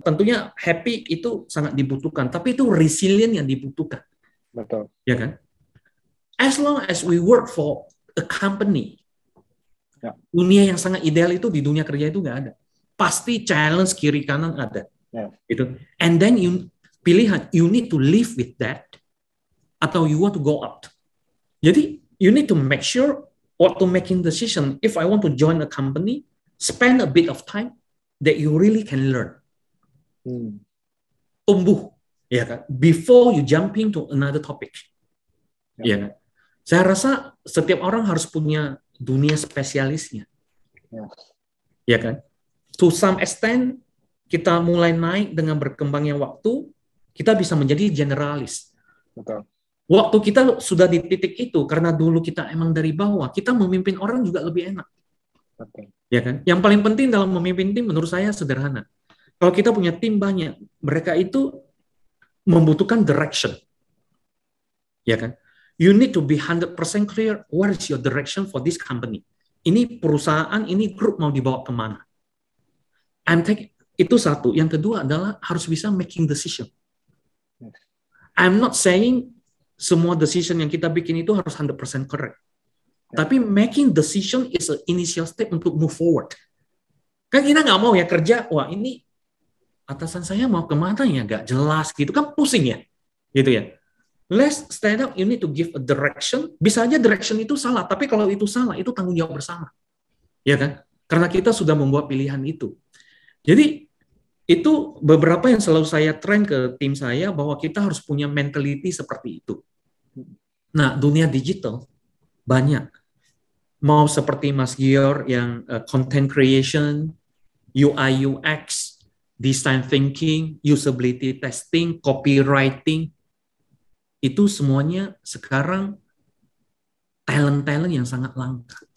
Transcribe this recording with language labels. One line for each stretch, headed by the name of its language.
Indonesian: Tentunya happy itu sangat dibutuhkan, tapi itu resilient yang dibutuhkan. Betul. Ya kan?
English: As long as we work for a company,
Indonesian: ya, dunia yang sangat ideal itu di dunia kerja itu nggak ada. Pasti challenge kiri kanan ada. Ya. Itu.
English: And then you
Indonesian: pilihan,
English: you need to live with that
Indonesian: atau
English: you want to go out.
Indonesian: Jadi
English: you need to make sure
Indonesian: waktu
English: making decision, if I want to join a company, spend a bit of time that you really can learn.
Indonesian: Tumbuh, ya kan?
English: Before you jumping to another topic.
Indonesian: Ya kan? Saya rasa setiap orang harus punya dunia spesialisnya. Ya kan?
English: To some extent,
Indonesian: kita mulai naik dengan berkembangnya waktu, kita bisa menjadi generalis. Waktu kita sudah di titik itu, karena dulu kita emang dari bawah, kita memimpin orang juga lebih enak. Ya kan? Yang paling penting dalam memimpin tim menurut saya sederhana. Kalau kita punya tim banyak, mereka itu membutuhkan direction. Ya kan?
English: You need to be 100% clear what is your direction for this company.
Indonesian: Ini perusahaan, ini grup mau dibawa kemana.
English: I'm taking,
Indonesian: itu satu. Yang kedua adalah harus bisa making decision.
English: I'm not saying
Indonesian: semua decision yang kita bikin itu harus 100% correct. Tapi
English: making decision is an initial step
Indonesian: untuk
English: move forward.
Indonesian: Kan kita nggak mau ya kerja, wah ini atasan saya mau kemana ya, nggak jelas gitu kan, pusing ya. Gitu ya.
English: Let's stand up, you need to give a direction.
Indonesian: Bisa aja direction itu salah, tapi kalau itu salah, itu tanggung jawab bersama. Ya kan? Karena kita sudah membuat pilihan itu. Jadi, Itu beberapa yang selalu saya train ke tim saya bahwa kita harus punya mentality seperti itu. Nah, dunia digital banyak. Mau seperti Mas Gior yang content creation, UI UX, design thinking, usability testing, copywriting, itu semuanya sekarang talent-talent yang sangat langka.